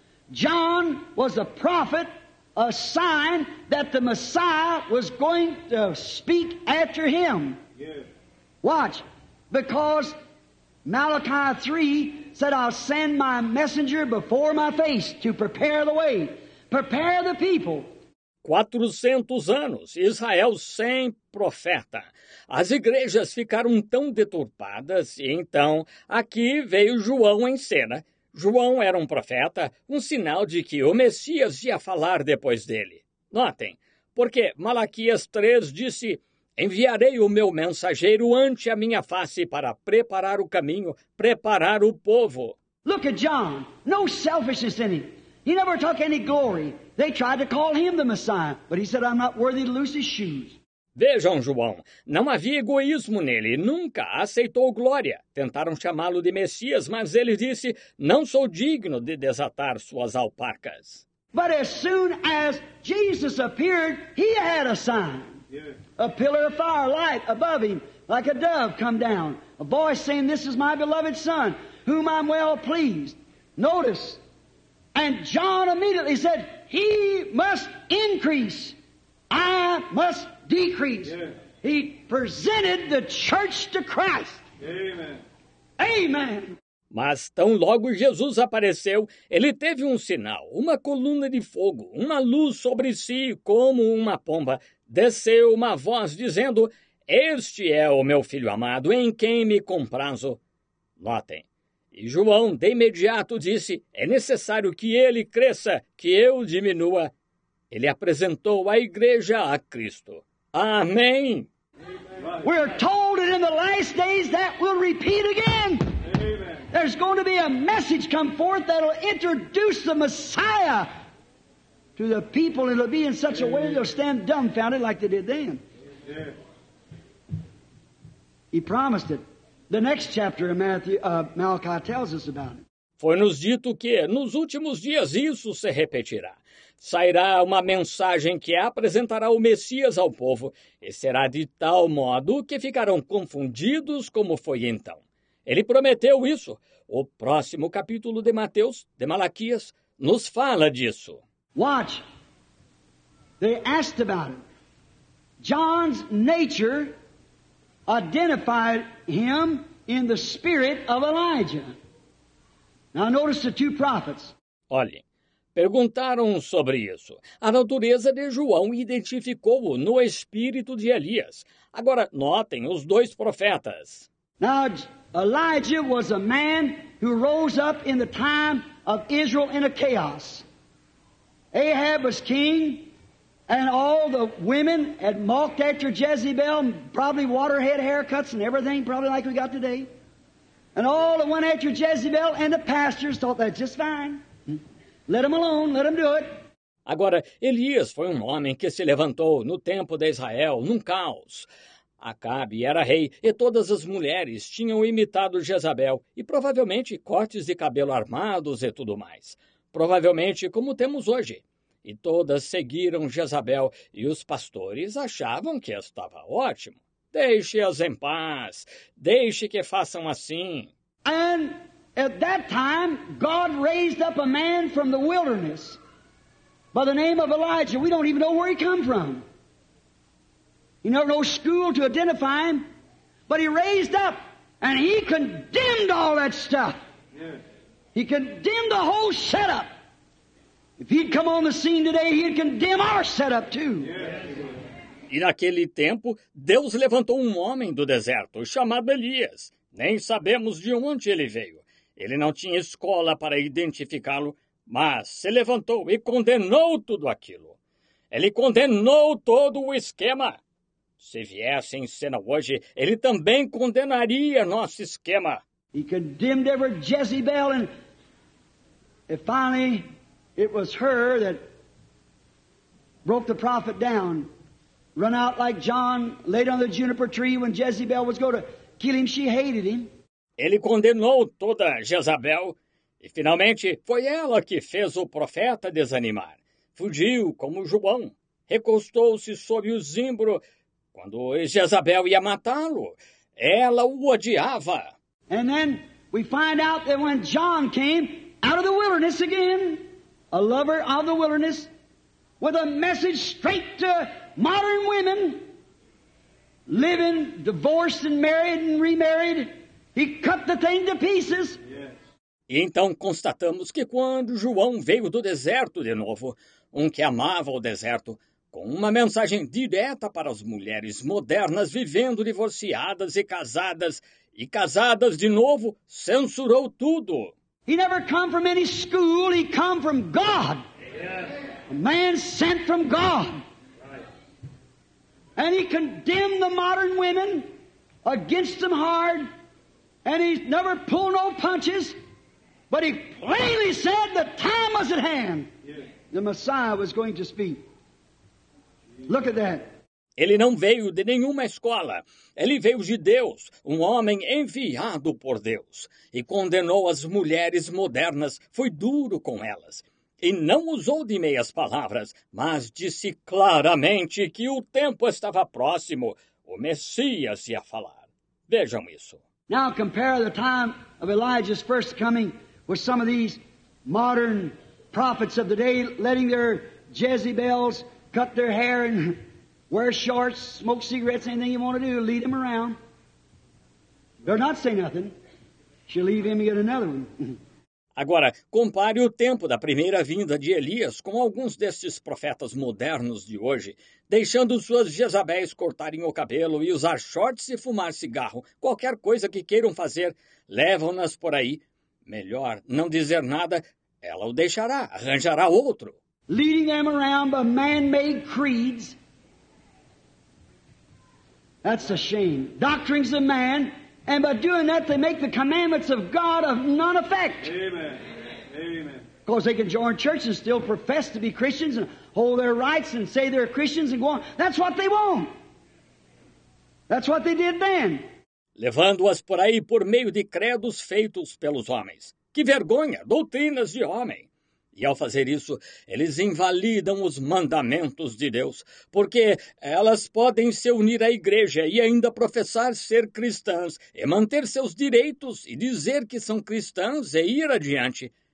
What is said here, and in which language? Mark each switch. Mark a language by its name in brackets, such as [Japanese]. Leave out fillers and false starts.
[English] John was a prophet, a sign that the Messiah was going to speak after him. Yes. Watch, because Malachi 3 said, I'll send my messenger before my face to prepare the way, prepare the people. [Portuguese] 400 anos, Israel sem profeta. As igrejas ficaram tão deturpadas, e então aqui veio João em cena. João era um profeta, um sinal de que o Messias ia falar depois dele. Notem, porque Malaquias 3 disse, enviarei o meu mensageiro ante a minha face para preparar o caminho, preparar o povo. [English] Look at John, no selfishness in him. He never took any glory. They tried to call him the Messiah, but he said, I'm not worthy to loose his shoes. [Portuguese] Vejam, João, não havia egoísmo nele, nunca aceitou glória. Tentaram chamá-lo de Messias, mas ele disse, não sou digno de desatar suas alpacas. [English] But as soon as Jesus appeared, he had a sign. Yeah. A pillar of fire, light above him, like a dove come down. A voice saying, this is my beloved son, whom I'm well pleased. Notice, and John immediately said, he must increase, I must decrease. Yeah. He presented the church to Christ. Amen. Amen. [Portuguese] Mas tão logo Jesus apareceu, ele teve um sinal, uma coluna de fogo, uma luz sobre si como uma pomba. Desceu uma voz dizendo, este é o meu filho amado, em quem me comprazo. Notem. E João, de imediato, disse, é necessário que ele cresça, que eu diminua. Ele apresentou a igreja a Cristo. Amém! [English] We're told that in the last days that will repeat again. Amen. There's going to be a message come forth that will introduce the Messiah to the people. It'll be in such a way that they'll stand dumbfounded like they did then. He promised it. The next chapter of Matthew, Malachi tells us about it. [Portuguese] Foi-nos dito que, nos últimos dias, isso se repetirá. Sairá uma mensagem que apresentará o Messias ao povo, e será de tal modo que ficarão confundidos como foi então. Ele prometeu isso. O próximo capítulo de Mateus, de Malaquias, nos fala disso. [English] Watch. They asked about it. John's nature identified him in the spirit of Elijah. Now notice the two prophets. [Portuguese] Olhe, Perguntaram sobre isso. A natureza de João identificou-o no espírito de Elias. Agora, notem os dois profetas. [English] Now, Elijah was a man who rose up in the time of Israel in a chaos. Ahab was king, and all the women had mocked after Jezebel, probably waterhead haircuts and everything, probably like we got today. And all that went after Jezebel and the pastors thought that's just fine. Let them alone, let them do it. [Portuguese] Agora, Elias foi um homem que se levantou no tempo de Israel, num caos. Acabe era rei e todas as mulheres tinham imitado Jezabel e provavelmente cortes de cabelo armados e tudo mais. Provavelmente como temos hoje. E todas seguiram Jezabel e os pastores achavam que estava ótimo. Deixe-as em paz. Deixe que façam assim. [English] And at that time, God raised up a man from the wilderness by the name of Elijah. We don't even know where he come from. He never knows school to identify him, but he raised up, and he condemned all that stuff. Yes. He condemned the whole setup. If he'd come on the scene today, he'd condemn our setup too. Yes. [Portuguese] E naquele tempo, Deus levantou um homem do deserto, chamado Elias. Nem sabemos de onde ele veio. Ele não tinha escola para identificá-lo, mas se levantou e condenou tudo aquilo. Ele condenou todo o esquema. Se viesse em cena hoje, ele também condenaria nosso esquema. [English] He condemned every Jezebel, and finally it was her that broke the prophet down. Run out like John laid on the juniper tree when Jezebel was going to kill him. She hated him. [Portuguese] Ele condenou toda Jezabel, e finalmente foi ela que fez o profeta desanimar. Fugiu como João, recostou-se sobre o zimbro. Quando Jezabel ia matá-lo, ela o odiava. [English] And then we find out that when John came out of the wilderness again, a lover of the wilderness, with a message straight to modern women, living, divorced and married and remarried, he cut the thing to pieces. Yes. [Portuguese] E então constatamos que quando João veio do deserto de novo, um que amava o deserto, com uma mensagem direta para as mulheres modernas vivendo divorciadas e casadas de novo, censurou tudo. [English] He never come from any school, he come from God. Yes. A man sent from God. Right. And he condemned the modern women against them hard, and he never pulled no punches, but he plainly said the time was at hand. Yes. The Messiah was going to speak. Look at that. [Portuguese] Ele não veio de nenhuma escola. Ele veio de Deus, um homem enviado por Deus. E condenou as mulheres modernas, foi duro com elas. E não usou de meias palavras, mas disse claramente que o tempo estava próximo. O Messias ia falar. Vejam isso. [English] Now compare the time of Elijah's first coming with some of these modern prophets of the day letting their Jezebels cut their hair and wear shorts, smoke cigarettes, anything you want to do, lead them around. They're not saying nothing. She'll leave him and get another one. [Portuguese] Agora, compare o tempo da primeira vinda de Elias com alguns destes profetas modernos de hoje, deixando suas Jezabéis cortarem o cabelo e usar shorts e fumar cigarro. Qualquer coisa que queiram fazer, levam-nas por aí. Melhor não dizer nada, ela o deixará, arranjará outro. [English] Leading them around by man-made creeds. That's a shame. Doctrines of man, and by doing that, they make the commandments of God of none effect. Amen. Of course, they can join churches and still profess to be Christians and hold their rights and say they're Christians and go on. That's what they want. That's what they did then. [Portuguese] Levando-as por aí por meio de credos feitos pelos homens. Que vergonha, doutrinas de homem. E ao fazer isso, eles invalidam os mandamentos de Deus, porque elas podem se unir à igreja e ainda professar ser cristãs e manter seus direitos e dizer que são cristãs e ir adiante.